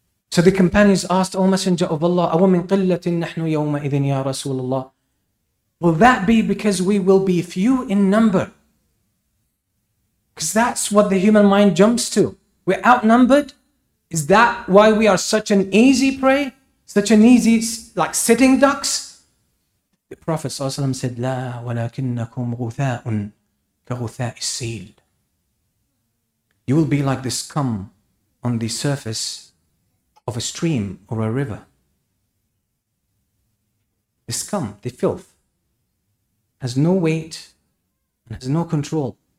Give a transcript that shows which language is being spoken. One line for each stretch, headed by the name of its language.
English: So the companions asked, O Messenger of Allah,
Arabic: أَوَمِنْ قِلَّةٍ نَحْنُ يَوْمَئِذٍ يَا رَسُولَ اللَّهِ.
English: Will that be because we will be few in number? Because that's what the human mind jumps to. We're outnumbered. Is that why we are such an easy prey? Such an easy, like sitting ducks? The Prophet ﷺ said,
Arabic: لَا وَلَكِنَّكُمْ غُثَاءٌ كَغُثَاءِ السَّيْلِ.
English: You will be like the scum on the surface of a stream or a river. The scum, the filth, has no weight and has no control.